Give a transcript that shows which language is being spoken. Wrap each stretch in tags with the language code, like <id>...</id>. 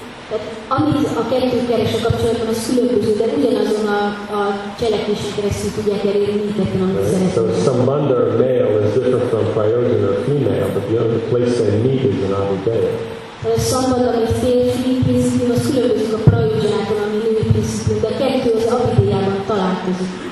<hu>Tehát amit a kettő keres a kapcsolatban, az különböző, de ugyanazon a cselekvési keresztül tudják elérni mindketten, amit szeretnénk.</hu> <en>So Sambandha or male is different from Prayojana or female, but the only place they meet is in Abhidaya.</en> <hu>Sambandha, ami férfi principium, az különbözik a Prayojanától, ami női principium, de a kettő az Abhidayában találkozik.</hu>